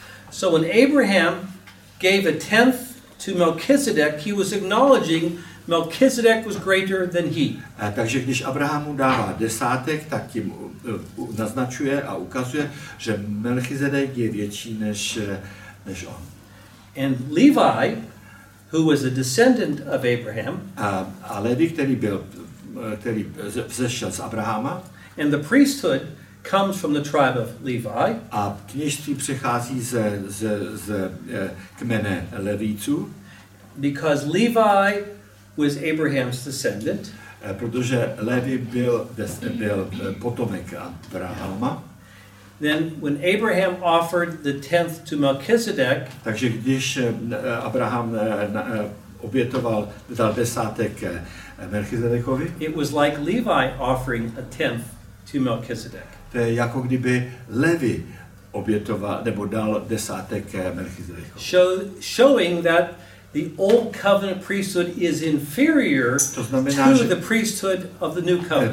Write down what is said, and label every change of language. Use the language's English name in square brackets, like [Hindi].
[English] So when Abraham gave a tenth to Melchizedek, he was acknowledging Melchizedek was greater than he. [Czech] Takže když Abraham mu dává desátek, tak tím naznačuje a ukazuje, že Melchizedek je větší než on. [English] And Levi, who was a descendant of Abraham, [Czech] a Levi, který vzešel z Abrahama, [English] and the priesthood comes from the tribe of Levi. [Czech] A kněžství přechází z kmene Levíců. [English] Because Levi was Abraham's descendant. [Czech] Protože Levi byl potomek Abrahama. [English] Then when Abraham offered the tenth to Melchizedek, [Czech] takže když Abraham obětoval, dal desátek Melchizedekovi, [English] it was like Levi offering a tenth to Melchizedek. [Czech] To je jako kdyby Levi obětoval nebo dal desátek Melchizedekovi. [English] Showing that the old covenant priesthood is inferior, [Czech] to znamená, [English] to the priesthood of the new covenant.